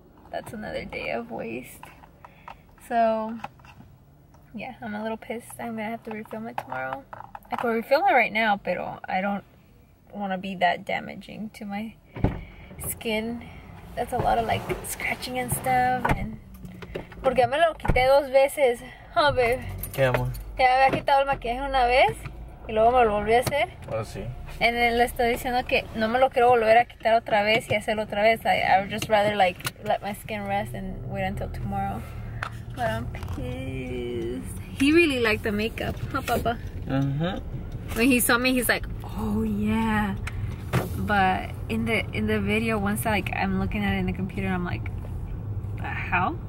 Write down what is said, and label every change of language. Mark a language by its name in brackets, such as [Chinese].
[English] That's another day of waste. So... yeah, I'm a little pissed. I'm gonna have to refilm it tomorrow. I could refilm it right now, [Spanish] pero [English] I don't want to be that damaging to my skin. That's a lot of like scratching and stuff. And [Spanish] porque me lo quité dos veces, huh, babe? ¿Qué, amor? Que me había quitado el maquillaje una vez y luego me lo volví a hacer. Oh, sí. [English] And then [Spanish] le estoy diciendo que no me lo quiero volver a quitar otra vez y hacerlo otra vez. [English] I would just rather like let my skin rest and wait until tomorrow. But I'm pissed. He really liked the makeup, huh, Papa? Uh-huh. When he saw me, he's like, oh yeah. But in the video, once like I'm looking at it in the computer, I'm like, how?